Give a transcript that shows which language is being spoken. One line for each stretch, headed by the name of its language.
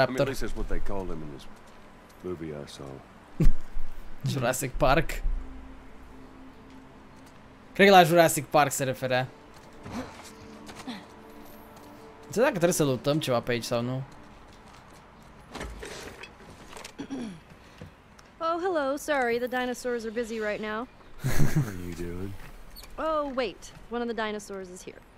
English: I mean, this is what they call them in this movie I saw. Jurassic Park.
Romanian: Cred că la Jurassic Park se referea. Înțeleg dacă trebuie să luptăm ceva pe aici sau nu.
English: Oh, hello, sorry, the dinosaurs are busy right now. What are you doing? Oh, wait, one of the dinosaurs is here.